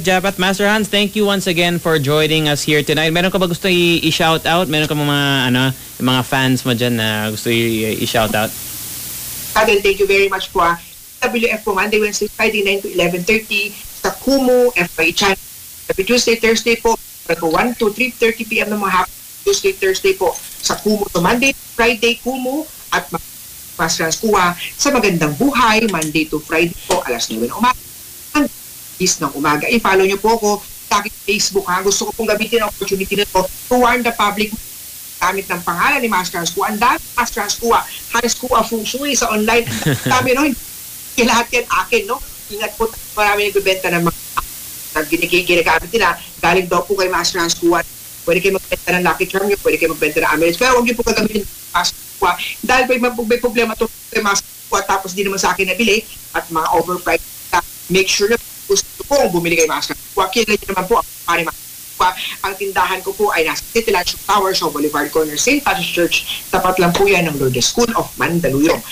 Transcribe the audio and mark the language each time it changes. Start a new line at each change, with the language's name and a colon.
English: Japath, Master Hans, thank you once again for joining us here tonight.
Filipino: Meron ka ba gusto i-shout out? Meron ka mga, ano, mga fans mo dyan na gusto i-shout out? Again, thank you very much po. WF po, Monday, Wednesday, Friday, 9 to 11:30 sa Kumu FYI Channel. Every Tuesday, Thursday po, 1 to 3:30 p.m. ng mga happy Tuesday, Thursday po sa Kumu. So Monday, Friday, Kumu at Master Hans Kuha sa Magandang Buhay, Monday to Friday po, alas 9 ng umaga. Is ng umaga. I-follow nyo po ako sa aking Facebook, ha? Gusto ko pong gamitin ang opportunity na ito
English: to warn the public
Filipino: gamit ng pangalan ni Master Hans Kuha. Andami, Master Hans Kuha, Hans Kuha Feng Shui sa online. Dami, no? Hindi lahat yan akin, no? Ingat po, marami nagbibenta ng mga na ginagamit nila. Galing daw po kay Master Hans Kuha. Pwede kayo magbenta ng Lucky Charm nyo, pwede kayo magbenta ng Amelis. Kaya huwag nyo po kagamitin ng Master Hans Kuha. Dahil may problema ito kay Master Hans Kuha tapos di naman sa akin nabili at mga overpriced. Make sure na gusto po kung bumili kayo Master Kuha. Kailan nyo naman po ang pari Master Kuha. Ang tindahan ko po ay nasa City Lunch Tower, sa Bolivar Corner, St. Patrick's Church. Tapat lang po yan ng Lourdes School of Mandaluyong.